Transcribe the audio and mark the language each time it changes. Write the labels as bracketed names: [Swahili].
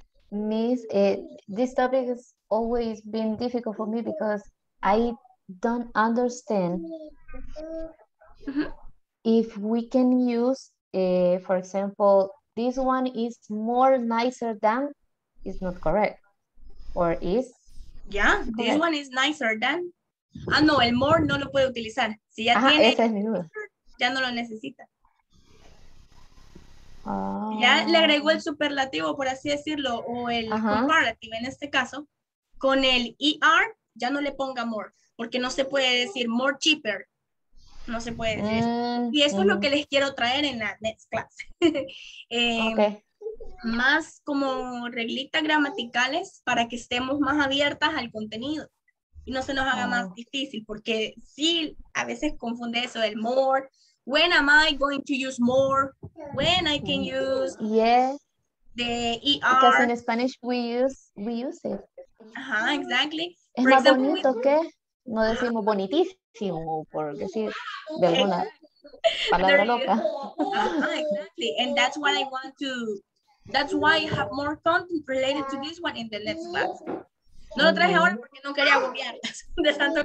[English] Miss, this topic has always been difficult for me because I don't understand. If we can use, for example, this one is more nicer than, is not correct, or is? Yeah, this correct. One is nicer than. [Spanish] Ah, no, el more no lo puede utilizar. Si ya ajá, tiene, esa es mi duda. Ya no lo necesita. Ya le agregó el superlativo, por así decirlo, o el comparativo en este caso, con el ER, ya no le ponga more, porque no se puede decir more cheaper. No se puede decir. Y eso es lo que les quiero traer en la next class. Más como reglitas gramaticales para que estemos más abiertas al contenido y no se nos haga más difícil, porque sí, a veces confunde eso del more. [English] When am I going to use more? When I can use the ER? Because in Spanish we use it. Ajá, exactly. [Spanish] Es for más example, bonito que no decimos bonitísimo. Sí, o por decir de alguna palabra loca. [English] Exactly. And that's why I want to, that's why I have more content related to this one in the next class. [Spanish] No lo traje ahora porque no quería agobiar de tanto